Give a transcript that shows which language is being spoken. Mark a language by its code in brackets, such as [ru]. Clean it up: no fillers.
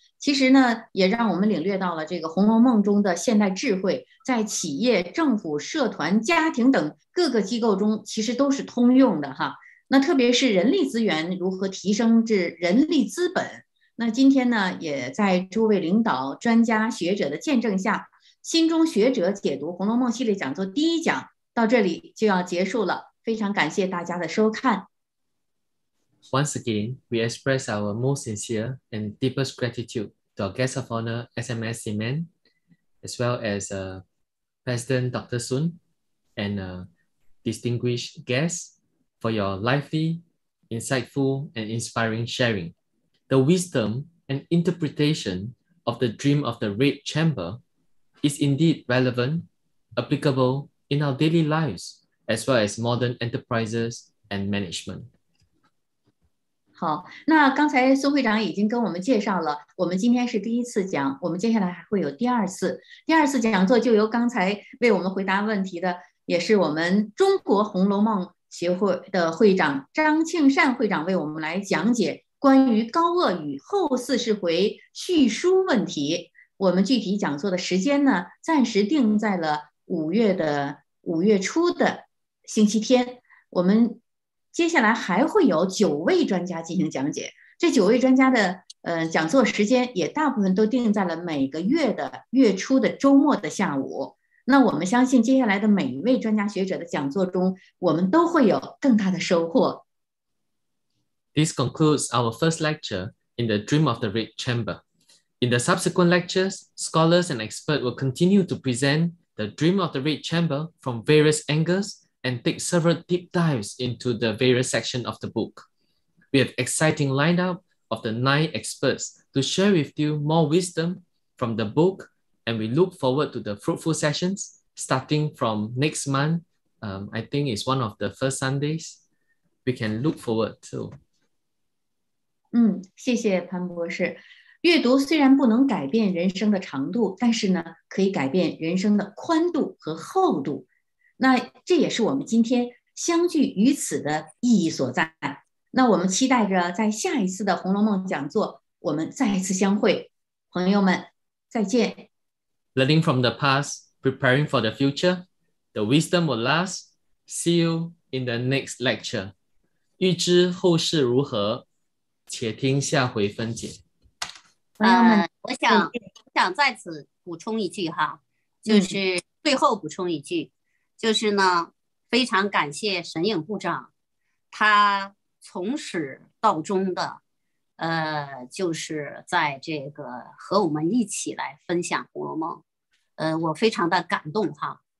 [zh] 其实呢，也让我们领略到了这个《红楼梦》中的现代智慧，在企业、政府、社团、家庭等各个机构中，其实都是通用的哈。那特别是人力资源如何提升至人力资本，那今天呢，也在诸位领导、专家、学者的见证下，新中学者解读《红楼梦》系列讲座第一讲到这里就要结束了。非常感谢大家的收看。 [en] Once again, we express our most sincere and deepest gratitude to our guest of honor, SMSC Man, as well as President Dr. Sun and distinguished guests for your lively, insightful, and inspiring sharing. The wisdom and interpretation of the Dream of the Red Chamber is indeed relevant, applicable in our daily lives, as well as modern enterprises and management. [zh] 好，那刚才孙会长已经跟我们介绍了，我们今天是第一次讲，我们接下来还会有第二次。第二次讲座就由刚才为我们回答问题的，也是我们中国红楼梦协会的会长张庆善会长为我们来讲解关于高鹗与后四十回续书问题。我们具体讲座的时间呢，暂时定在了五月初的星期天。我们接下来还会有九位专家进行讲解，这九位专家的讲座时间也大部分都定在了每个月的月初的周末的下午。那我们相信接下来的每一位专家学者的讲座中，我们都会有更大的收获。 [en] This concludes our first lecture in the Dream of the Red Chamber. In the subsequent lectures, scholars and experts will continue to present the Dream of the Red Chamber from various angles. And take several deep dives into the various sections of the book. We have exciting lineup of the 9 experts to share with you more wisdom from the book, and we look forward to the fruitful sessions starting from next month. I think it's one of the first Sundays we can look forward to. [zh] 谢谢潘博士。阅读虽然不能改变人生的长度，但是呢，可以改变人生的宽度和厚度。那这也是我们今天相聚于此的意义所在。那我们期待着在下一次的《红楼梦》讲座，我们再次相会。朋友们，再见。 [en] Learning from the past, preparing for the future, the wisdom will last. See you in the next lecture. [zh] 预知后事如何，且听下回分解。朋友们，我想在此补充一句哈，就是最后补充一句。就是呢，非常感谢沈影部长，他从始到终的，就是在这个和我们一起来分享《红楼梦》，我非常的感动哈。